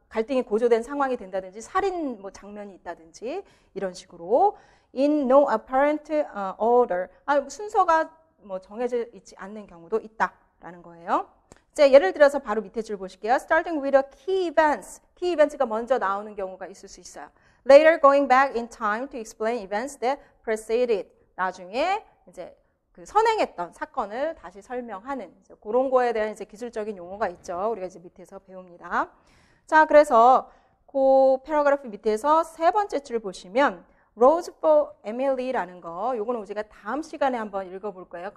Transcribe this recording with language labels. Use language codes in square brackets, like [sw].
[ko] 갈등이 고조된 상황이 된다든지 살인 뭐 장면이 있다든지 이런 식으로 [en] in no apparent order. [ko] 아, 순서가 뭐 정해져 있지 않는 경우도 있다라는 거예요. 이제 예를 들어서 바로 밑에 줄 보실게요. [en] Starting with a key events. Key events가 [ko] 먼저 나오는 경우가 있을 수 있어요. [en] Later going back in time to explain events that preceded. [ko] 나중에 이제 그 선행했던 사건을 다시 설명하는 이제 그런 거에 대한 이제 기술적인 용어가 있죠. 우리가 이제 밑에서 배웁니다. 자, 그래서 그 패러그래프 밑에서 세 번째 줄 보시면 Rose for Emily라는 거, 요거는 우리가 다음 시간에 한번 읽어볼 거예요.